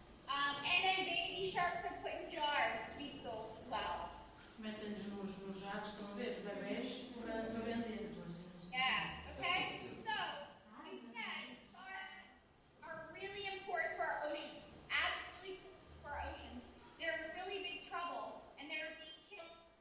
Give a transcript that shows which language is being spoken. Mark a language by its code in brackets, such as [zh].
[en] And then baby sharks are put in jars to be sold as well. [pt] Metem-nos nos jatos, estão a ver, os bebês, para vender. [en] Yeah, okay. So, we've said sharks are really important for our oceans, absolutely for our oceans. They're in really big trouble, and they're being killed.